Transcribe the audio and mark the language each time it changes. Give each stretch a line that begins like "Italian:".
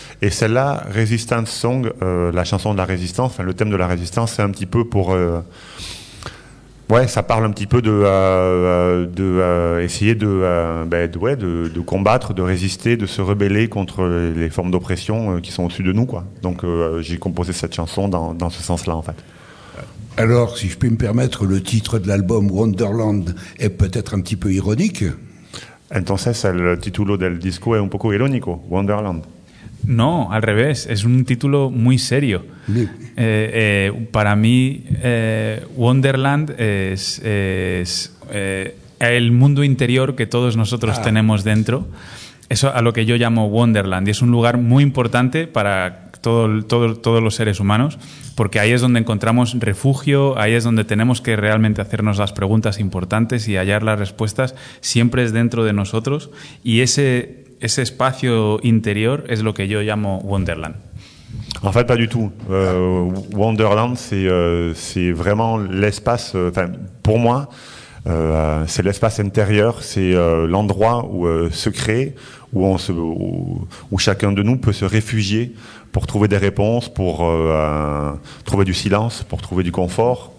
French: Et celle-là, Resistance Song, la chanson de la résistance, enfin le thème de la résistance, c'est un petit peu pour ouais, ça parle un petit peu de combattre, de résister, de se rebeller contre les formes d'oppression qui sont au-dessus de nous, quoi. Donc j'ai composé cette chanson dans ce sens-là, en fait. Alors, si je puis me permettre, le titre de l'album Wonderland est peut-être un petit peu ironique.
Spanish: Entonces, el título del disco es un poco irónico, Wonderland. No, al revés, es un título muy serio. Sí. Para mí, Wonderland es el mundo interior que todos nosotros tenemos dentro. Eso a lo que yo llamo Wonderland, y es un lugar muy importante para todos los seres humanos, porque ahí es donde encontramos refugio, ahí es donde tenemos que realmente hacernos las preguntas importantes y hallar las respuestas. Siempre es dentro de nosotros, y ese espacio interior es lo que yo llamo Wonderland.
French: En fait, pas du tout. Wonderland, c'est vraiment l'espace, pour moi, c'est l'espace intérieur, c'est l'endroit où secret, où chacun de nous peut se réfugier pour trouver des réponses, pour trouver du silence, pour trouver du confort.